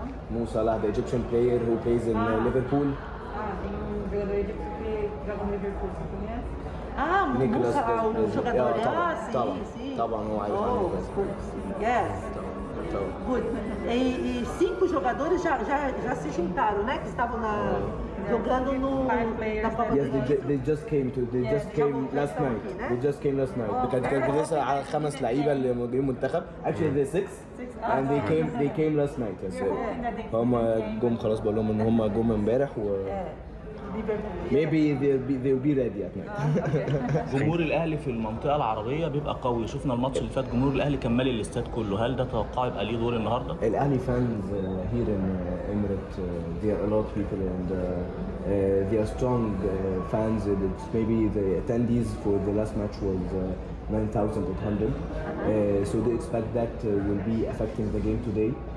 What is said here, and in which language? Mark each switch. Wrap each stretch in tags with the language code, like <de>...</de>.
<en>Mo Salah, the Egyptian player who plays in Liverpool.</en> <pt>Um jogador egípcio que joga no Liverpool, você conhece? Ah, Mo Salah, o jogador. Ah, sim, sim. Tá bom, não é?</pt> <en>Yes.</en> <pt>E cinco jogadores já se juntaram, né? Que estavam jogando no na Copa yes, do Mundo.</pt> <en>They just came to, they just yeah, came last night.</en> <pt>Aqui, né?</pt> <en>They just came last night. Because</en> <ar>كان في لسه على خمس لعيبة اللي موجودين منتخب.</ar> <en>Actually they six. And they came last night. Yes.</en> <ar>هم جم خلاص بقول لهم إن هم جم امبارح و.</ar> <en>Maybe they'll be ready at night.</en> <ar>جمهور الأهلي في المنطقة العربية بيبقى قوي. شفنا الماتش اللي فات جمهور الأهلي كان مالي الاستاد كله. هل ده توقع يبقى ليه دور النهاردة؟</ar> <en>الأهلي fans here in Emirates they are a lot of people and they are strong fans. It's maybe the attendees for the last match was 9,800. So they expect that will be affecting the game today.</en>